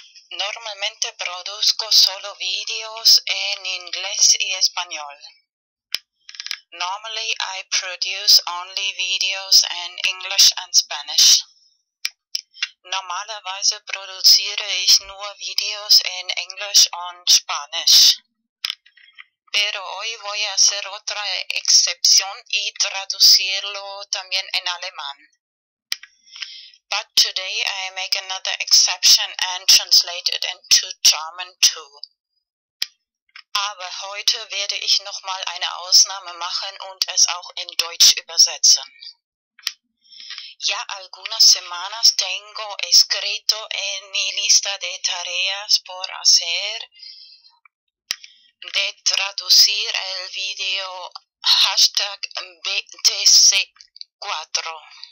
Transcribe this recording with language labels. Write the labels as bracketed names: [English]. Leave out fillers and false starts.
[Spanish] Normalmente produzco solo videos en inglés y español. [English] Normally I produce only videos in English and Spanish. [German] Normalerweise produziere ich nur videos en English und Spanisch. [Spanish] Pero hoy voy a hacer otra excepción y traducirlo también en alemán. [English] But today I make another exception and translate it into German too. [German] Aber heute werde ich nochmal eine Ausnahme machen und es auch in Deutsch übersetzen. [Spanish] Ya algunas semanas tengo escrito en mi lista de tareas por hacer de traducir el video hashtag BTC4.